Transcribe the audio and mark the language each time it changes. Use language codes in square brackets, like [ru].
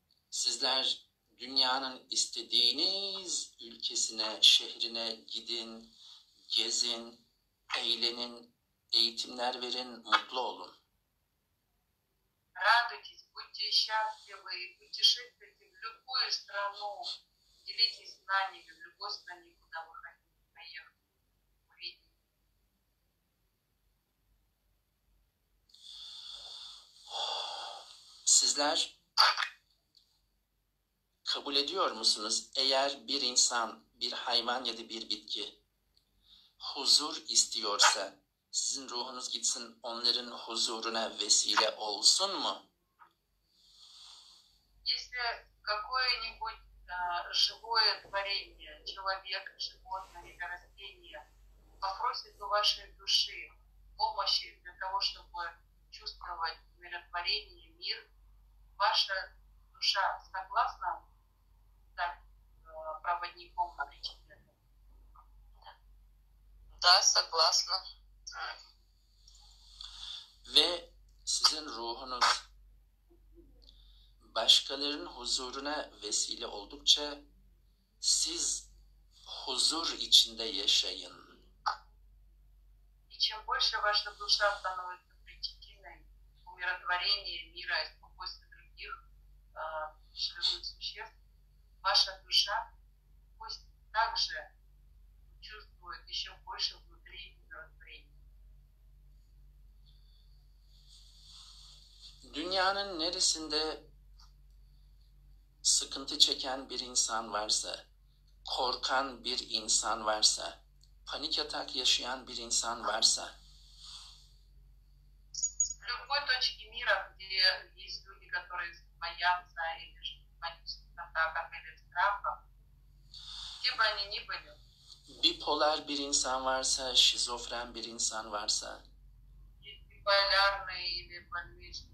[tr] Sizler dünyanın istediğiniz ülkesine, şehrine gidin, gezin, eğlenin, eğitimler verin, mutlu olun. [ru] Радуйтесь, будьте счастливы, путешествуйте в любую страну, делитесь знаниями в любой стране, куда вы хотите поехать, увидеть. Сизлер, к [tr] Kabul ediyor musunuz? Eğer bir insan, bir hayvan ya da bir bitki huzur istiyorsa sizin ruhunuz gitsin onların huzuruna vesile olsun mu? [ru] Если какое-нибудь живое творение, человек, животное или растение попросит у вашей души помощи для того, чтобы чувствовать умиротворение, мир, ваша душа согласна стать проводником на плече? Да, согласна. [tr] Ve sizin ruhunuz başkalarının huzuruna vesile oldukça siz huzur içinde yaşayın. [ru] Чем больше ваша душа становится причастной к умиротворению мира и спокойствию других живых существ, ваша душа пусть также чувствует еще больше внутри умиротворения. [tr] Dünyanın neresinde sıkıntı çeken bir insan varsa, korkan bir insan varsa, panik atak yaşayan bir insan varsa. [ru] Любой точки мира, где есть люди, которые боятся или панических атаков или страхов, где бы они ни были. [tr] Bipolar bir insan varsa, şizofren bir insan varsa. Bipolarlı [ru] или больные.